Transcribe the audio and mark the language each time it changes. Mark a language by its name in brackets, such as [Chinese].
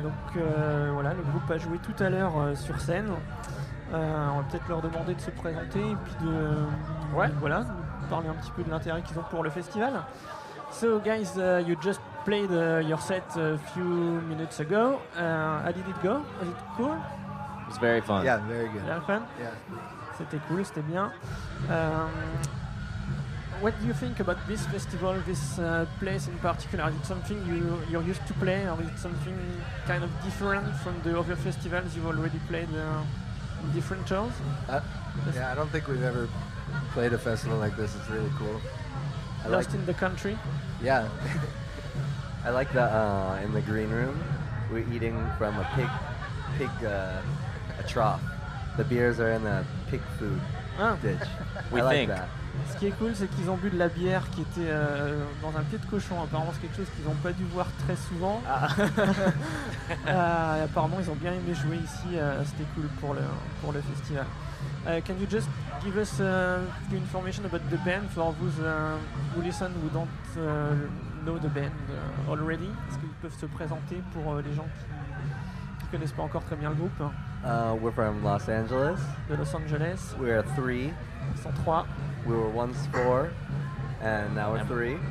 [French] Voilà, le groupe a joué tout à l'heure sur scène. On va peut-être leur demander de se présenter et puis de, voilà, de parler un petit peu de l'intérêt qu'ils ont pour le festival. [English] So guys, you just played your set a few minutes ago. How did it go? Was it cool? It was very fun. Yeah, very good. Very fun? Yeah. [French] C'était cool, c'était bien. [English] What do you think about this festival, this place in particular? Is it something you're used to play, or is it something kind of different from the other festivals you've already played in different shows? I don't think we've ever played a festival like this. It's really cool. In the country? Yeah. I like the in the green room. We're eating from a pig trough. The beers are in the pig food ditch. We I think. Like that. [French] Ce qui est cool, c'est qu'ils ont bu de la bière qui était dans un pied de cochon. Apparemment, c'est quelque chose qu'ils n'ont pas dû voir très souvent. Ah. apparemment, ils ont bien aimé jouer ici. C'était cool pour le festival. [English] Can you just give us the information about the band for those who listen who don't know the band already? [French] Est-ce qu'ils peuvent se présenter pour les gens qui connaissent pas encore très bien le groupe? [English] We're from Los Angeles. [French] De Los Angeles. [English] We are three. [French] Ils sont trois. [English] We were once four, and now we're three.